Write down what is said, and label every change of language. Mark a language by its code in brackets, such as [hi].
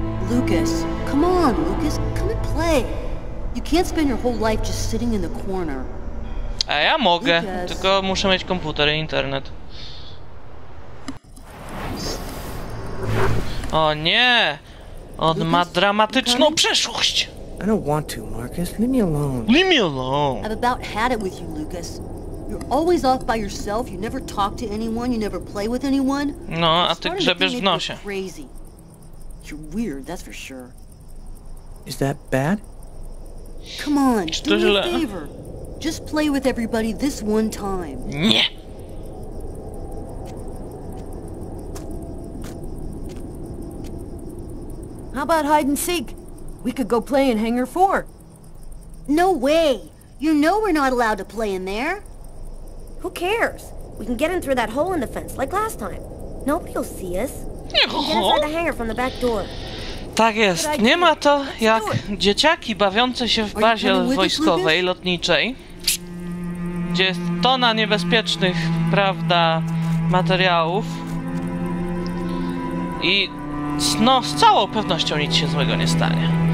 [en] Lucas, come on, Lucas, come and play. You can't spend your whole life just sitting in the corner. [pl] A ja mogę, Lucas. Tylko muszę mieć komputer i internet. O nie! On Lucas, ma dramatyczną przeszłość. [en] I don't want to, Marcus. Leave me alone. Leave me alone. I've about had it with you, Lucas. You're always off by yourself, you never talk to anyone, you never play with anyone. [pl] No, a ty grzebiesz w nosie. [en] Crazy. You're weird, that's for sure. Is that bad? Come on, do me a favor. Just play with everybody this one time. [pl] Nie! [en] How about hide and seek? We could go play in Hangar 4. No way! You know we're not allowed to play in there. Who cares? We can get in through that hole in the fence, like last time. Nobody will see us. [pl] Tak jest. Nie ma to jak dzieciaki bawiące się w bazie wojskowej, lotniczej, gdzie jest tona niebezpiecznych, prawda, materiałów. I no, z całą pewnością nic się złego nie stanie.